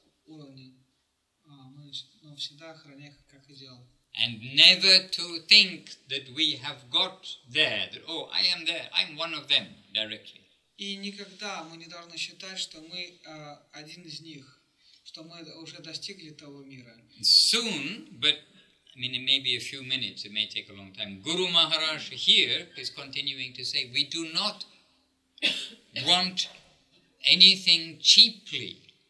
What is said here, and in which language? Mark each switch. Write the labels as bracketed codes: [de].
[ru] уровне, но всегда храня, как идеал. [en] And never to think that we have got there, that, oh, I am there, I'm one of them, directly. [ru] И никогда мы не должны считать, что мы один из них, что мы уже достигли того мира. [en] Soon, but I mean, it may be a few minutes, it may take a long time. Guru Maharaj here is continuing to say, we do not want anything cheaply.